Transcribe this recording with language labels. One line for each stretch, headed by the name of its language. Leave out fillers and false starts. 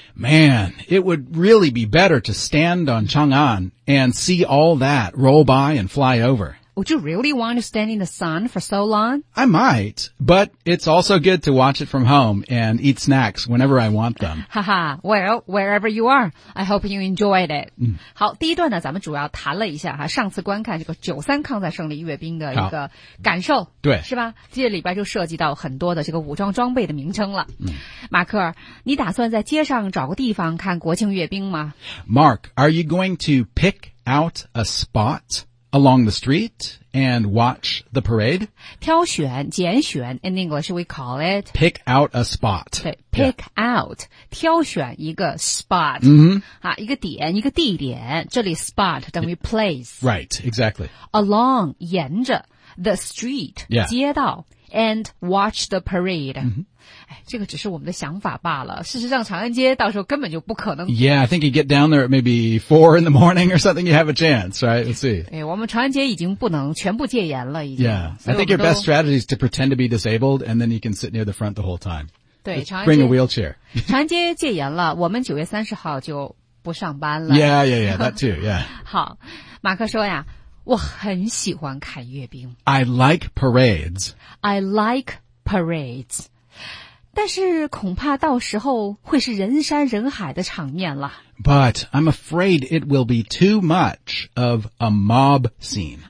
English: Man, it would really be better to stand on Chang'an and see all that roll by and fly over. Would you really want to stand in the sun for so long? I might, but it's also good to watch it from home and eat snacks whenever I want them. Haha, well, wherever you are, I hope you enjoyed it.
Chinese: 好，第一段呢，咱们主要谈了一下哈，上次观看这个九三抗战胜利阅兵的一个感受，对，是吧？这里边就涉及到很多的这个武装装备的名称了。马克，你打算在街上找个地方看国庆阅兵吗
English: ？Mark, are you going to pick out a spot? Along the street and watch the parade?
Chinese: 挑选、拣选
English: in English we call it. Pick out a spot. Pick out,
Chinese: 挑选一个
English: spot,、 mm-hmm.
Chinese: 啊、一个点、一个地点。这里 spot 等于 place.
English: Right, exactly. Along,
Chinese: 沿着
English: the street,、 yeah.
Chinese: 街道
English: and watch the parade.、 Mm-hmm.
Chinese: 这个只是我们的想法罢了。事实上长安街到时候根本就不可能。
English: Yeah, I think you get down there at maybe 4 in the morning or something, you have a chance, right? Let's see.
Chinese: 哎，我们长安街已经不能全部戒严了已经。
English: Yeah, I think your best strategy is to pretend to be disabled and then you can sit near the front the whole time.
Chinese: 对，长安街。
English: Bring a wheelchair.
Chinese: 长安街戒严了，我们9月30号就不上班了。
English: Yeah, yeah, yeah, that too, yeah.
Chinese: 好，马克说呀，我很喜欢看阅兵。
English: I like parades. I like parades.
Chinese: 但是恐怕到时候会是人山人海的场面了。
English: But I'm afraid it will be too much of a mob scene.